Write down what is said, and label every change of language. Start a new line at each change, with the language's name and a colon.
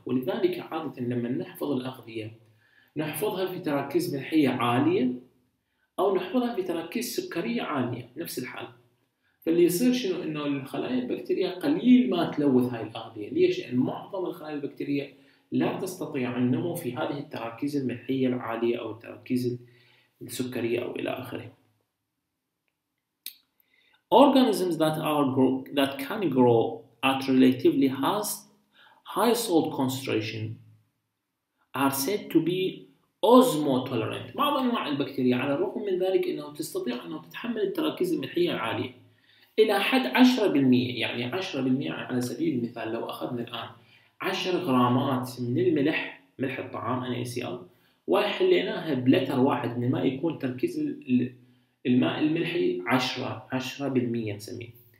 Arabic: ولذلك عادة لما نحفظ الأغذية نحفظها في تركيز ملحية عالية أو نحفظها في تركيز سكرية عالية، نفس الحال. فاللي يصير شنو إنه الخلايا البكتيرية قليل ما تلوث هاي الأغذية. ليش؟ لأن معظم الخلايا البكتيرية لا تستطيع النمو في هذه التركيز الملحية العالية أو التركيز السكرية أو إلى آخره.
English: Organisms that can grow at relatively high salt concentration are said to be osmotolerant.
Arabic: بعض أنواع البكتيريا على الرغم من ذلك أنه تستطيع أنه تتحمل التركيز الملحية العالية إلى حد 10%، يعني 10% على سبيل المثال لو أخذنا الآن 10 غرامات من الملح، ملح الطعام NaCl، وحليناها بلتر واحد من الماء يكون تركيز الماء الملحي 10% نسميه.